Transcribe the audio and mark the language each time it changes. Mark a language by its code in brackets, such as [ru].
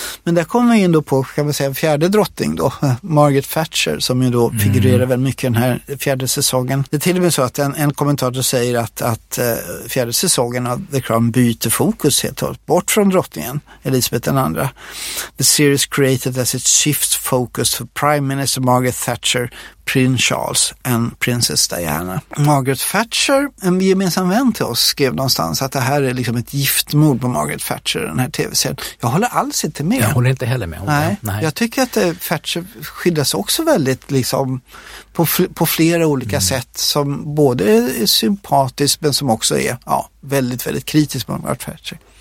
[sv] Men där kommer vi in då på, kan man säga, en fjärde drottning då, Margaret Thatcher, som ju då figurerar väl mycket den här fjärde säsongen. Det är till och med så att en kommentator säger att fjärde säsongen av The Crown byter fokus helt och bort från drottningen, Elisabeth den andra. [en] The series created as it shifts focus for Prime Minister Margaret Thatcher, Prince Charles and Princess Diana. [sv] Margaret Thatcher, en gemensam vän till oss, skrev någonstans att det här är liksom ett giftmord på Margaret Thatcher, den här tv-serien. Jag håller alls inte med. Jag håller inte heller med. Nej. Jag tycker att Thatcher skildras också väldigt liksom på flera olika sätt, som både är sympatiskt men som också är väldigt, väldigt kritiskt på Margaret Thatcher.